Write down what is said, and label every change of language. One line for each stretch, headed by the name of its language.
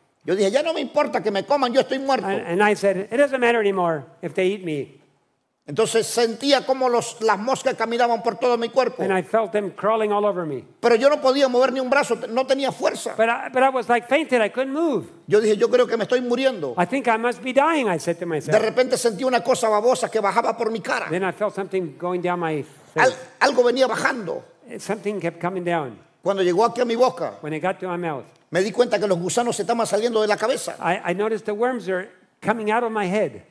Spanish: Yo dije, ya no me importa que me coman, yo estoy muerto.
English: And I said, it doesn't matter anymore if they eat me.
Spanish: Entonces sentía como las moscas caminaban por todo mi cuerpo.
English: And I felt them crawling all over me.
Spanish: Pero yo no podía mover ni un brazo, no tenía fuerza.
English: But I was like fainted, I couldn't move.
Spanish: Yo dije, yo creo que me estoy muriendo.
English: I think I must be dying, I said to myself.
Spanish: De repente sentí una cosa babosa que bajaba por mi cara.
English: Then I felt something going down my face.
Spanish: Algo venía bajando.
English: Something kept coming down.
Spanish: Cuando llegó aquí a mi boca,
English: when it got to my mouth,
Spanish: me di cuenta que los gusanos se estaban saliendo de la cabeza.
English: I noticed the worms are coming out of my head.